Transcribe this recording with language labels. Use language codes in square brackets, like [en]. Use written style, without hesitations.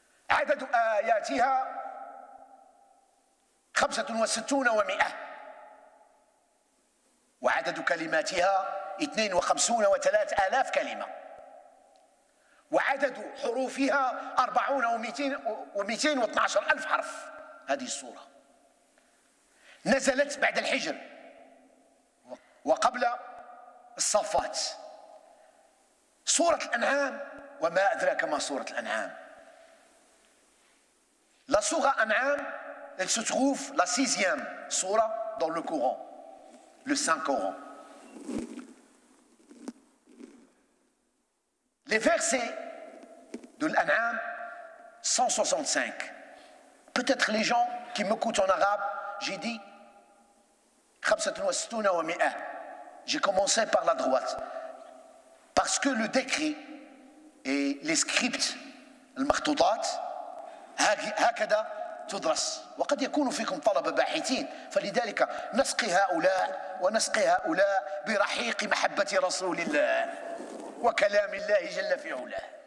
[ar] عدد آياتها 65 و100، وعدد كلماتها 52 و3000 كلمة، وعدد حروفها 40 و212 حرف. هذه السورة نزلت بعد الحجر وقبل الصفات. سورة الأنعام، وما أدراك ما سورة الأنعام. لا سورة أنعام [fr] elle se trouve la sixième سورة dans le Coran, le Saint Coran. Les versets de l'An'am 165. Peut-être les gens qui m'écoutent en arabe, j'ai dit 65 ou 100. J'ai commencé par la droite. Parce que le décret et les scripts, le maktoutat, [ar] هكذا تدرس وقد يكون فيكم طلبة باحثين، فلذلك نسقي هؤلاء ونسقي هؤلاء برحيق محبة رسول الله وكلام الله جل في علاه.